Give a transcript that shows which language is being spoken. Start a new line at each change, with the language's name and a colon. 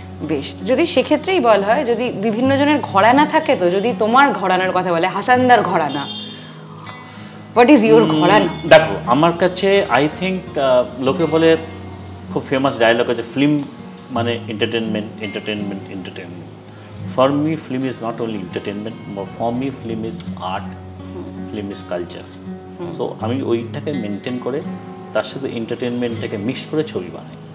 Bangla: বেশ, যদি সেক্ষেত্রেই বল হয়, যদি বিভিন্ন জনের ঘরানা থাকে, তো যদি তোমার ঘরানার কথা বলে, হাসানদার ঘরানা,
English: What is your gharana?
Bangla: দেখো, আমার কাছে
English: I think
Bangla: লোকে বলে খুব ফেমাস ডায়লগ আছে, ফিল্ম মানে entertainment, entertainment, entertainment.
English: For me, film is not only entertainment, but for me, film is art, film is culture.
Bangla: So, আমি ওইটাকে মেনটেন করে তার সাথে এন্টারটেনমেন্টটাকে মিক্স করে ছবি বানাই।